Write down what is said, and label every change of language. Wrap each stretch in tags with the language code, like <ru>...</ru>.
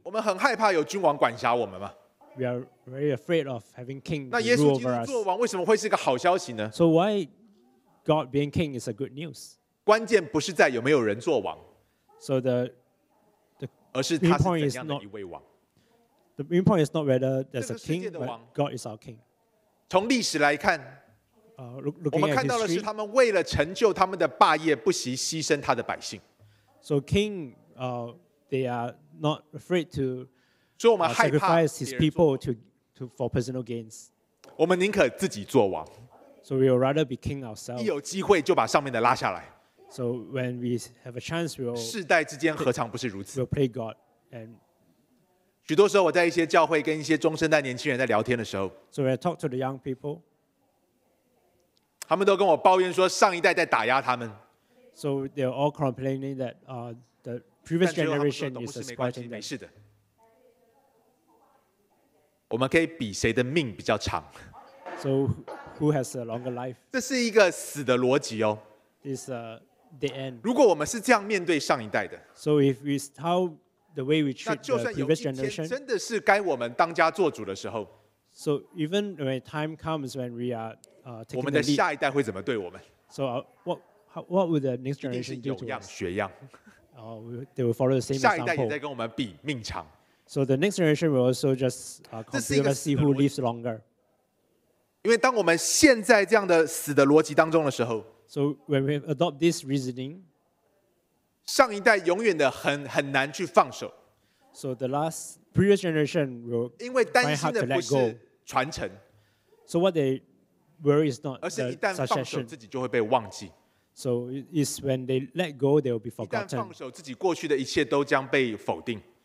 <zh>我们很害怕有君王管辖我们嘛。</zh> <en>We are very afraid of having king rule over us.</en> <zh>那耶稣基督作王为什么会是一个好消息呢</zh> <en>？So why God being king is a good news?</en> <zh>关键不是在有没有人作王。</zh> <en>So the</en> <zh>而是他是怎样的一位王。</zh> <en>The main point is not whether there's a king, but God is our king.</en> <zh>从历史来看，我们看到的是他们为了成就他们的霸业，不惜牺牲他的百姓。</zh> <en>So king, they are not afraid to sacrifice his people to for personal gains.</en> <zh>我们宁可自己做王。</zh> <en>So we will rather be king ourselves.</en> <zh>一有机会就把上面的拉下来。</zh> <en>So when we have a chance, we will.</en> <zh>世代之间何尝不是如此</zh> <en>？We'll play God. And</en> <zh>许多时候我在一些教会跟一些中生代年轻人在聊天的时候</zh> <en>，So when I talk to the young people,</en> <zh>他们都跟我抱怨说上一代在打压他们。</zh> <en>So they're all complaining that the previous generation is exploiting them.</en> <zh>没事的，我们可以比谁的命比较长。</zh> <en>So who has a longer life?</en> <zh>这是一个死的逻辑哦。</zh> <en>It's a dead end.</en> <zh>如果我们是这样面对上一代的</zh> <en>，So if we how the way we treat the previous generation,</en> <zh>真的是该我们当家做主的时候。</zh> <en>So even when time comes when we are taking the lead,</en> <zh>我们的下一代会怎么对我们</zh> <en>？So What would the next generation do to us?</en> <zh>一定是有样学样。</zh> <en>They will follow the same example.</en> <zh>下一代也在跟我们比命长。</zh> <en>So the next generation will also just compare and see who lives longer.</en> <zh>因为当我们现在这样的死的逻辑当中的时候</zh> <en>，So when we adopt this reasoning,</en> <zh>上一代永远的很难去放手。</zh> <en>So the last previous generation will try hard to let go.</en> <zh>因为担心的不是传承。</zh> <en>So what they worry is not the succession.</en> <zh>而是一旦放手，自己就会被忘记。</zh> <en>So it's when they let go, they will be forgotten.</en> <zh>一旦放手，自己过去的一切都将被否定。</zh>